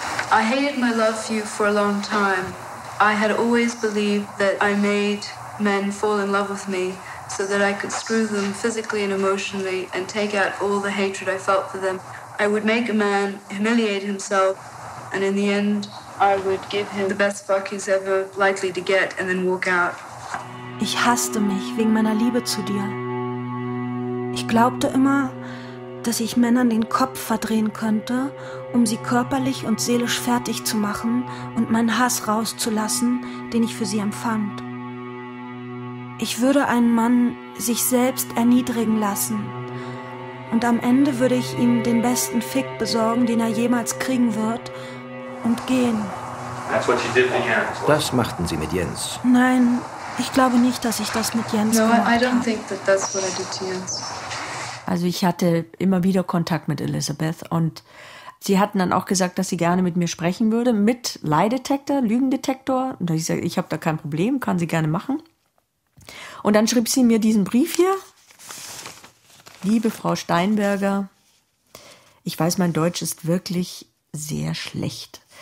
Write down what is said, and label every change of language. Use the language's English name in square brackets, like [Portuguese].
[English] I hated my love for you for a long time. I had always believed that I made men fall in love with me so that I could screw them physically and emotionally and take out all the hatred I felt for them. I would make a man humiliate himself and in the end I would give him the best fuck he's ever likely to get and then walk out. [German] Ich hasste mich wegen meiner Liebe zu dir. Ich glaubte immer, dass ich Männern den Kopf verdrehen könnte, um sie körperlich und seelisch fertig zu machen und meinen Hass rauszulassen, den ich für sie empfand. Ich würde einen Mann sich selbst erniedrigen lassen und am Ende würde ich ihm den besten Fick besorgen, den er jemals kriegen wird, und gehen. Das machten sie mit Jens. Nein, ich glaube nicht, dass ich das mit Jens gemacht habe. [English] No, I don't think that that's what I did to Jens. [German] Also ich hatte immer wieder Kontakt mit Elizabeth und sie hatten dann auch gesagt, dass sie gerne mit mir sprechen würde, mit Lie-Detektor, Lügendetektor. Und ich sagte, ich habe da kein Problem, kann sie gerne machen. Und dann schrieb sie mir diesen Brief hier. Liebe Frau Steinberger, ich weiß, mein Deutsch ist wirklich sehr schlecht.